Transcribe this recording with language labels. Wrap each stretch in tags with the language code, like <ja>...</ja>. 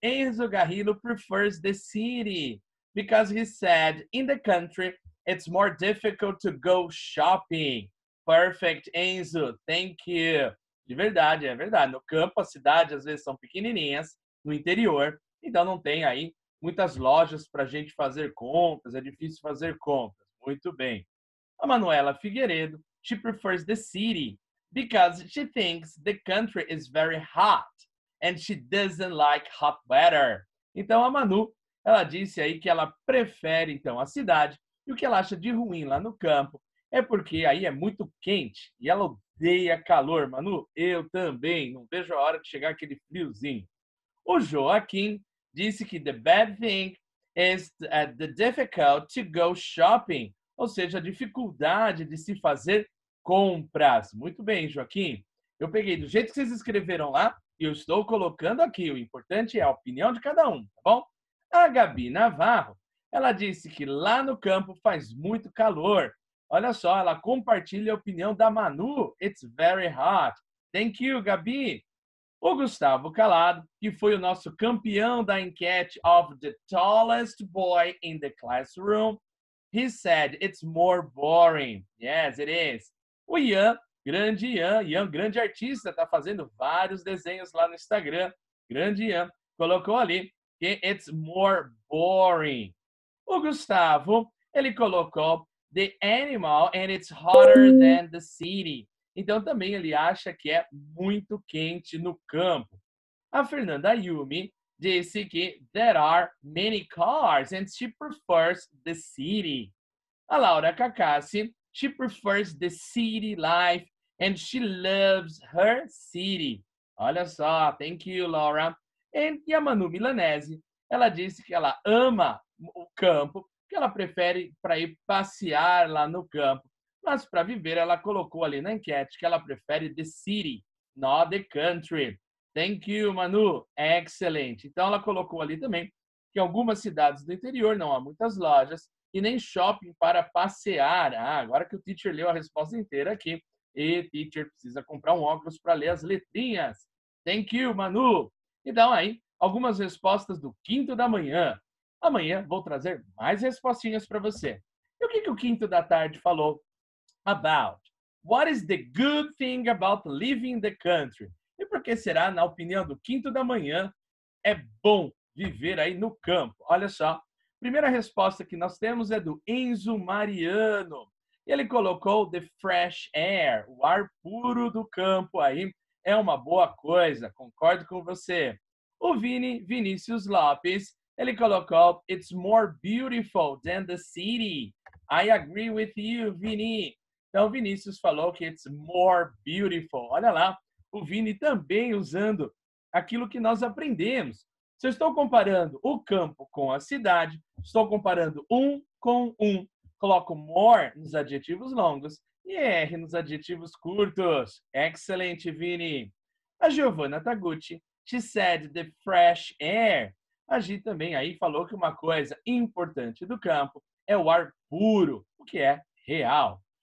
<en>Enzo Carrillo prefers the city because he said, in the country, it's more difficult to go shopping. Perfect, Enzo. Thank you.</en> <pt>De verdade, é verdade. No campo, as cidades às vezes são pequenininhas, no interior, então não tem aí muitas lojas para a gente fazer compras, é difícil fazer compras. Muito bem.</pt> <en>A Manuela Figueiredo, she prefers the city because she thinks the country is very hot and she doesn't like hot weather.</en> <pt>Então, a Manu, ela disse aí que ela prefere, então, a cidade e o que ela acha de ruim lá no campo é porque aí é muito quente e ela odeia calor. Manu, eu também, não vejo a hora de chegar aquele friozinho. O Joaquim disse que</pt> <en>the bad thing is the difficult to go shopping.</en> <pt>Ou seja, a dificuldade de se fazer compras. Muito bem, Joaquim. Eu peguei do jeito que vocês escreveram lá e eu estou colocando aqui. O importante é a opinião de cada um, tá bom? A Gabi Navarro, ela disse que lá no campo faz muito calor. Olha só, ela compartilha a opinião da Manu.</pt> <en>It's very hot. Thank you, Gabi. O Gustavo Calado,</en> <pt>que foi o nosso campeão da enquete</pt> <en>of the tallest boy in the classroom, he said, it's more boring. Yes, it is.</en> <pt>O Ian, grande artista, está fazendo vários desenhos lá no Instagram. Grande Ian, colocou ali,</pt> <en>it's more boring. O Gustavo,</en> <pt>ele colocou,</pt> <en>the animal and it's hotter than the city.</en> <pt>Então, também ele acha que é muito quente no campo. A Fernanda Yumi disse que</pt> <en>there are many cars and she prefers the city. A Laura Cacassi, she prefers the city life and she loves her city.</en> <pt>Olha só,</pt> <en>thank you, Laura.</en> <pt>E a Manu Milanese, ela disse que ela ama o campo, que ela prefere para ir passear lá no campo. Mas para viver, ela colocou ali na enquete que ela prefere</pt> <en>the city, not the country. Thank you, Manu.</en> <pt>Excelente. Então, ela colocou ali também que algumas cidades do interior não há muitas lojas e nem shopping para passear. Ah, agora que o teacher leu a resposta inteira aqui. E teacher precisa comprar um óculos para ler as letrinhas.</pt> <en>Thank you, Manu.</en> <pt>Então, aí, algumas respostas do quinto da manhã. Amanhã vou trazer mais respostinhas para você. E o que, que o quinto da tarde falou? About.</pt> <en>What is the good thing about living in the country?</en> <pt>E por que será, na opinião do quinto da manhã, é bom viver aí no campo? Olha só, primeira resposta que nós temos é do Enzo Mariano. Ele colocou</pt> <en>the fresh air,</en> <pt>o ar puro do campo aí. É uma boa coisa, concordo com você. O Vini Vinícius Lopes, ele colocou</pt> <en>it's more beautiful than the city. I agree with you, Vini.</en> <pt>Então, Vinícius falou que</pt> <en>it's more beautiful.</en> <pt>Olha lá. O Vini também usando aquilo que nós aprendemos. Se eu estou comparando o campo com a cidade, estou comparando um com um. Coloco more nos adjetivos longos e R nos adjetivos curtos. Excelente, Vini.</pt> <en>A Giovanna Taguchi, she said the fresh air.</en> <pt>A Gi também aí falou que uma coisa importante do campo é o ar puro, o que é real.</pt>